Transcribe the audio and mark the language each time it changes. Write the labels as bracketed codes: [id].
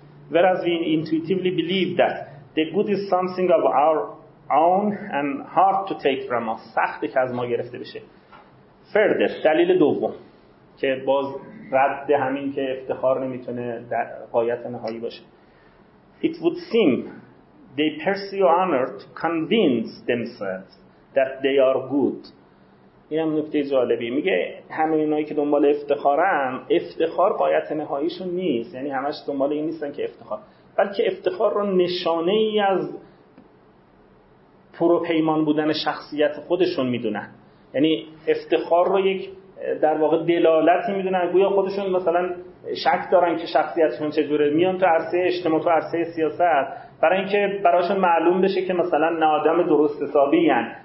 [en] Whereas we intuitively believe that the good is something of our own and hard to take from us. [fa] سختی که از ما گرفته بشه. [en] Further, [fa] دلیل دوم که باز رد همین که افتخار نمیتونه در غایت نهایی باشه. [en] It would seem they pursue honor to convince themselves that they are good. [fa] این هم نکته جالبی، میگه همه اینایی که دنبال افتخارن، افتخار غایت نهاییشون نیست، یعنی همش دنبال این نیستن که افتخار، بلکه افتخار رو نشانه ای از پروپیمان بودن شخصیت خودشون میدونن، یعنی افتخار رو یک در واقع دلالتی میدونن، گویا خودشون مثلا شک دارن که شخصیتشون چجوره، میان تو عرصه اجتماع تو عرصه سیاست برای اینکه براشون معلوم بشه که مثلا نه آدم درست حسابی هن.